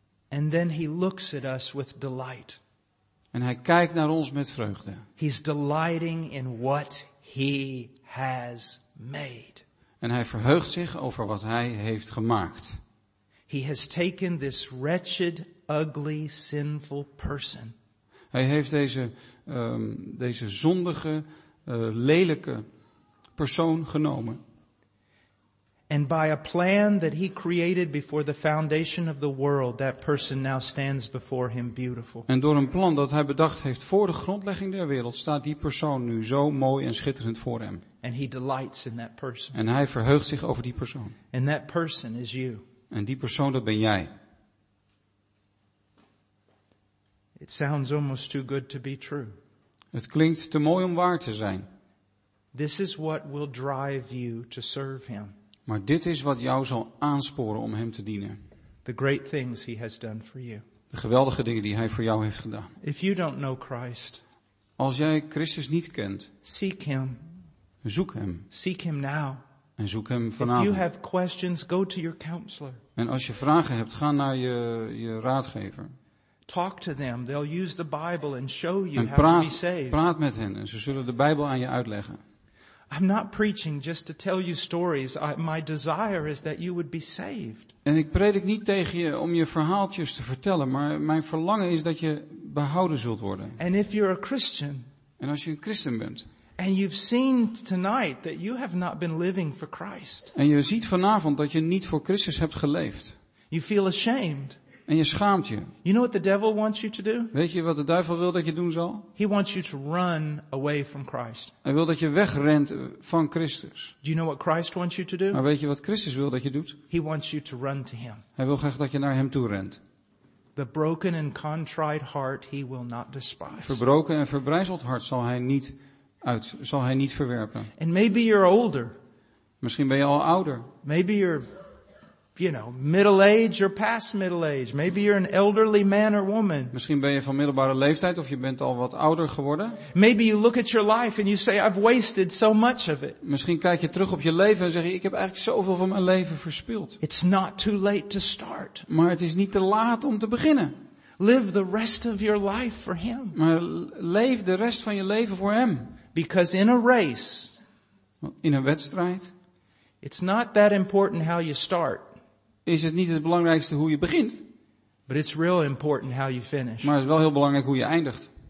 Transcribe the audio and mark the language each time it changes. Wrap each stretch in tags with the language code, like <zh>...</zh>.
<en>And then he looks at us with delight.</en> <nl>En hij kijkt naar ons met vreugde.</nl> <en>He's delighting in what he has made.</en> <nl>En hij verheugt zich over wat hij heeft gemaakt.</nl> <en>He has taken this wretched, ugly, sinful person.</en> <nl>Hij heeft deze zondige, lelijke persoon genomen.</nl> <en>And by a plan that he created before the foundation of the world, that person now stands before him beautiful.</en> <nl>En door een plan dat hij bedacht heeft voor de grondlegging der wereld, staat die persoon nu zo mooi en schitterend voor hem.</nl> <en>And he delights in that person.</en> <nl>En hij verheugt zich over die persoon.</nl> <en>And that person is you.</en> <nl>En die persoon, dat ben jij.</nl> <en>It sounds almost too good to be true.</en> <nl>Het klinkt te mooi om waar te zijn.</nl> <en>This is what will drive you to serve him.</en> <nl>Maar dit is wat jou zal aansporen om hem te dienen.</nl> <en>The great things he has done for you.</en> <nl>De geweldige dingen die hij voor jou heeft gedaan.</nl> <en>If you don't know Christ,</en> <nl>als jij Christus niet kent,</nl> <en>seek him.</en> <nl>Zoek hem.</nl> <en>Seek him now.</en> <nl>En zoek hem vanavond.</nl> <en>If you have questions, go to your counselor.</en> <nl>En als je vragen hebt, ga naar je raadgever.</nl> <en>Talk to them. They'll use the Bible and show you how to be saved.</en> <nl>Praat met hen en ze zullen de Bijbel aan je uitleggen.</nl> <en>I'm not preaching just to tell you stories. My desire is that you would be saved.</en> <nl>En ik predik niet tegen je om je verhaaltjes te vertellen, maar mijn verlangen is dat je behouden zult worden.</nl> <en>And if you're a Christian,</en> <nl>en als je een christen bent,</nl> <en>and you've seen tonight that you have not been living for Christ,</en> <nl>en je ziet vanavond dat je niet voor Christus hebt geleefd,</nl> <en>you feel ashamed.</en> <nl>En je schaamt je.</nl> <en>You know what the devil wants you to do?</en> <nl>Weet je wat de duivel wil dat je doen zal?</nl> <en>He wants you to run away from Christ.</en> <nl>Hij wil dat je wegrent van Christus.</nl> <en>Do you know what Christ wants you to do?</en> <nl>Maar weet je wat Christus wil dat je doet?</nl> <en>He wants you to run to him.</en> <nl>Hij wil graag dat je naar hem toe rent.</nl> <en>The broken and contrite heart he will not despise.</en> <nl>Verbroken en verbrijzeld hart zal hij niet verwerpen.</nl> <en>And maybe you're older.</en> <nl>Misschien ben je al ouder.</nl> <en>Maybe you're middle age or past middle age. Maybe you're an elderly man or woman.</en> <nl>Misschien ben je van middelbare leeftijd of je bent al wat ouder geworden.</nl> <en>Maybe you look at your life and you say, I've wasted so much of it.</en> <nl>Misschien kijk je terug op je leven en zeg je, ik heb eigenlijk zoveel van mijn leven verspild.</nl> <en>It's not too late to start.</en> <nl>Maar het is niet te laat om te beginnen.</nl> <en>Live the rest of your life for him.</en> <nl>Maar leef de rest van je leven voor hem.</nl> <en>Because in a race,</en> <nl>in een wedstrijd,</nl> <en>it's not that important how you start.</en> <nl>Is het niet het belangrijkste hoe je begint?</nl> <en>But it's real important how you finish.</en> <nl>Maar het is wel heel belangrijk hoe je eindigt.</nl>